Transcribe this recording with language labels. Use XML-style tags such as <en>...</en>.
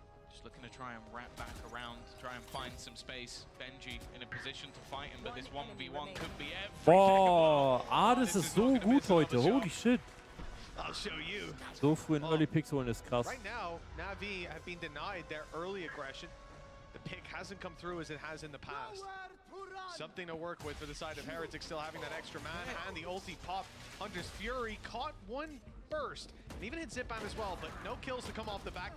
<en>Just looking to try and wrap back around, try and find some space. Benji in a position to fight him, but this 1v1 could be everything.</en> <de>Boah, Artis ist so gut heute,</de> <en>holy shit. I'll show you.</en> <de>So früh in early picks holen ist krass.</de> <en>Right now, Navi have been denied their early aggression. The pick hasn't come through as it has in the past. Something to work with for the side of Heretics, still having that extra man and the ulti pop. Hunter's Fury caught one burst and even hit Zipan as well, but no kills to come off the back.</en>